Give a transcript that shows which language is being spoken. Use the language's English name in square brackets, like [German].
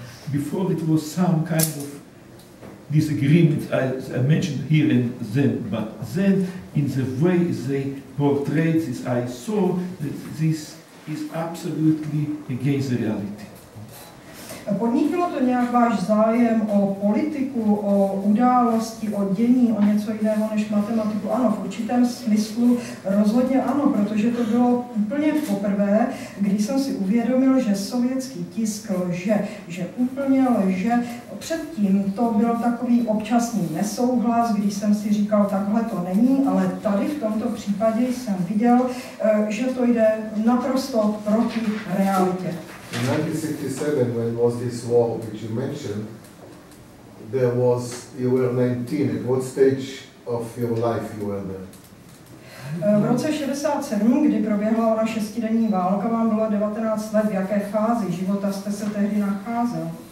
[English] Before it was some kind of disagreement I mentioned here and then, but then in the way they portrayed this, I saw that this is absolutely against the reality. [Czech] Podnítilo to nějak váš zájem o politiku, o události, o dění, o něco jiného než matematiku? Ano, v určitém smyslu rozhodně ano, protože to bylo úplně poprvé, když jsem si uvědomil, že sovětský tisk lže, že úplně lže. Předtím to byl takový občasný nesouhlas, když jsem si říkal, takhle to není, ale tady v tomto případě jsem viděl, že to jde naprosto proti realitě. [English] In 1967, when was this war which you mentioned, there was, you were 19, at what stage of your life you were there? [Czech] V roce 67, kdy proběhla ona šestidenní válka, vám bylo 19 let, v jaké fázi života jste se tehdy nacházel?